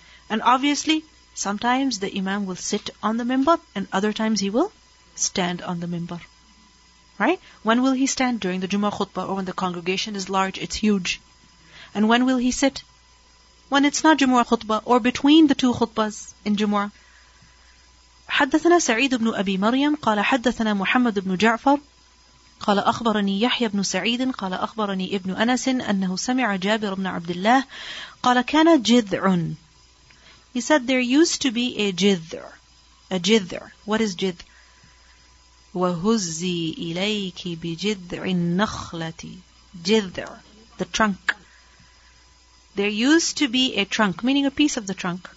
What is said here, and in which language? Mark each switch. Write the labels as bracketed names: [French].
[English] And obviously, sometimes the imam will sit on the mimbar, and other times he will stand on the mimbar. Right? When will he stand? During the Jummah khutbah, or when the congregation is large, it's huge. And when will he sit? When it's not Jummah khutbah, or between the two khutbahs in Jummah. [Arabic] حدثنا سعيد بن أبي مريم قال حدثنا محمد بن جعفر قال أخبرني يحيى بن سعيد قال أخبرني ابن أنس أنه سمع جابر بن عبد الله قال كان جذع. [English] He said there used to be a jithr. A jithr. What is jithr? [Arabic] وَهُزِّي إِلَيْكِ بِجِذْعِ النَّخْلَةِ. [English] Jithr, the trunk. There used to be a trunk, meaning a piece of the trunk.